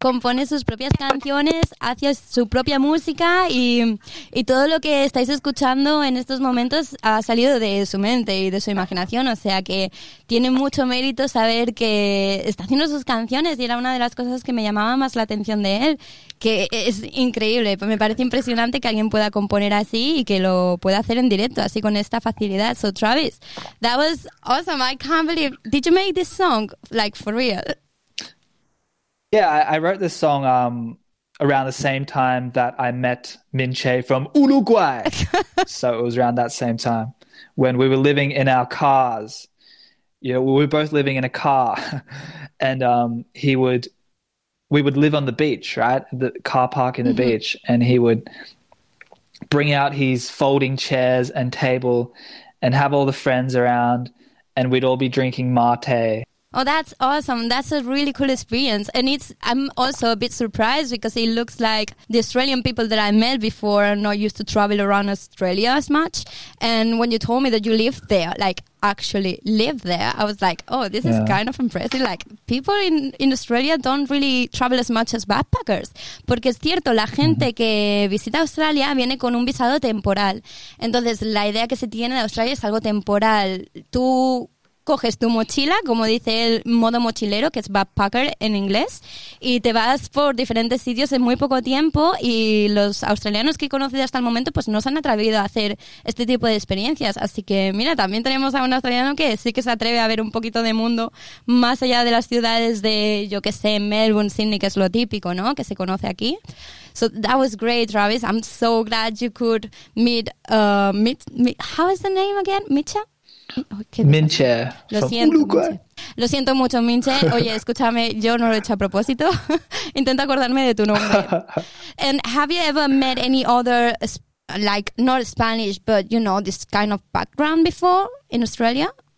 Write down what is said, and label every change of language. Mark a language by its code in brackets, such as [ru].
[es] Compone sus propias canciones, hace su propia música y todo lo que estáis escuchando en estos momentos ha salido de su mente y de su imaginación. O sea que tiene mucho mérito saber que está haciendo sus canciones y era una de las cosas que me llamaba más la atención de él, que es increíble. Me parece impresionante que alguien pueda componer así y que lo pueda hacer en directo, así con esta facilidad. [en] So Travis, that was awesome. I can't believe, did you make this song like for real? Yeah, I wrote this song around the same time that I met Minche from Uruguay. So it was around that same time when we were living in our cars. You know, we were both living in a car and we would live on the beach, right? The car park in the mm-hmm. beach. And he would bring out his folding chairs and table and have all the friends around and we'd all be drinking mate. Oh, that's awesome. That's a really cool experience. And I'm also a bit surprised because it looks like the Australian people that I met before are not used to travel around Australia as much. And when you told me that you live there, like actually live there, I was like, oh, this is kind of impressive. Like people in Australia don't really travel as much as backpackers. [es] Porque es cierto, la gente mm-hmm. que visita Australia viene con un visado temporal. Entonces, la idea que se tiene de Australia es algo temporal. Tú coges tu mochila, como dice el modo mochilero, que es backpacker en inglés, y te vas por diferentes sitios en muy poco tiempo y los australianos que he conocido hasta el momento pues no se han atrevido a hacer este tipo de experiencias. Así que mira, también tenemos a un australiano que sí que se atreve a ver un poquito de mundo más allá de las ciudades de, yo que sé, Melbourne, Sydney, que es lo típico, ¿no?, que se conoce aquí. [en] So that was great, Travis. I'm so glad you could meet how is the name again? Micha? Minche. [es] Lo siento mucho, Minche. Oye, escúchame, yo no lo he hecho a propósito. Intento acordarme de tu nombre. [en] And have you ever met any other, like, not Spanish, but, you know, this kind of background before in Australia?